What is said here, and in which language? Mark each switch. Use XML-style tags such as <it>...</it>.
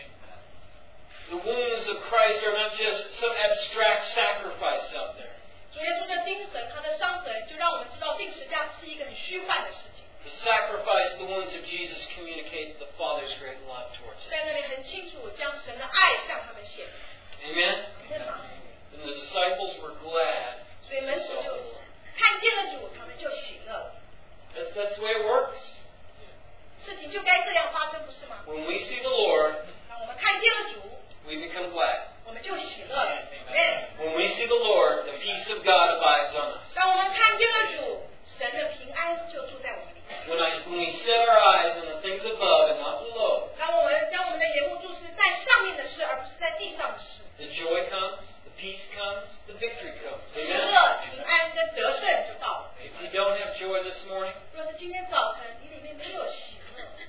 <en>Christ are not just some abstract sacrifice out there.</en> <zh>主耶稣的钉痕, 他的伤痕, 就让我们知道钉十架是一个很虚幻的事情。</zh> <en>The sacrifice, the wounds of Jesus communicate the Father's great love towards us.</en> <zh>在那里很清楚将神的爱向他们显明。</zh> <en>Amen? And the disciples were glad.</en> <zh>所以门徒就看见了主，他们就喜乐了。</zh> <en>That's the way it works.</en> <zh>事情就该这样发生，不是吗？</zh> <en>When we see the Lord,</en> <zh>当我们看见了主,</zh> <en>we become glad.</en> <zh>我们就喜乐了。</zh> <en>When we see the Lord, the peace of God abides on us.</en> <zh>当我们看见了主, 神的平安就住在我们里。</zh> <en>When we set our eyes on the things above and not below,</en> <zh>当我们将我们的眼目注视在上面的事，而不是在地上的事。</zh> <en>The joy comes, the peace comes, the victory comes.</en> <zh>喜乐、平安跟得胜就到了。</zh> <en>If you don't have joy this morning,</en> <zh>若是今天早晨你里面没有喜乐，</zh>